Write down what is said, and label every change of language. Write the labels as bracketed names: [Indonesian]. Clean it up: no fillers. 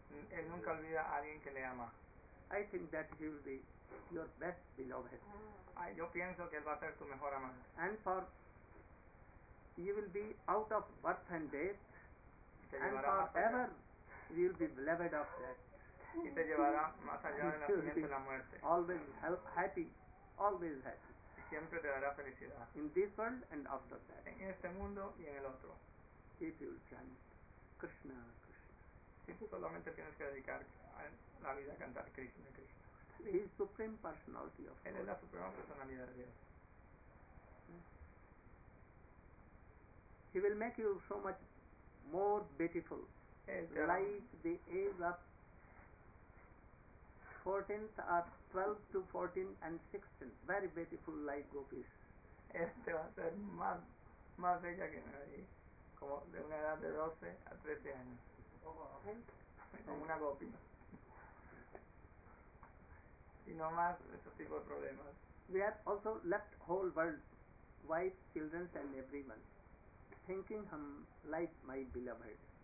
[Spanish] Él nunca olvida a alguien que le ama. [English] I think that he will be your best beloved. [Spanish] Yo pienso que él va a ser tu mejor amante. [English] And for you will be out of birth and death, and forever you will be beloved of that. [Spanish] Y te llevará más allá de nacimiento y la muerte. [English] Always happy, always happy. [Spanish] Siempre te dará felicidad. [English] In this world and after that. [Spanish] En este mundo y en el otro. [English] If you chant Krishna, Krishna. [Spanish] Si solamente tienes que dedicar la vida a cantar Krishna, Krishna. [English] He is supreme personality of God. [Spanish] Él es la suprema personalidad de Dios. [English] He will make you so much more beautiful. Like the age of 14th or 12 to 14 and 16th, very beautiful like gopis. [Spanish] Este va a ser más bella que nadie, como de una edad de 12 a 13 años. Como una gopi. Y no más ese tipo de problemas. [English] We have also left whole world, wife, children and everyone, thinking him like my beloved.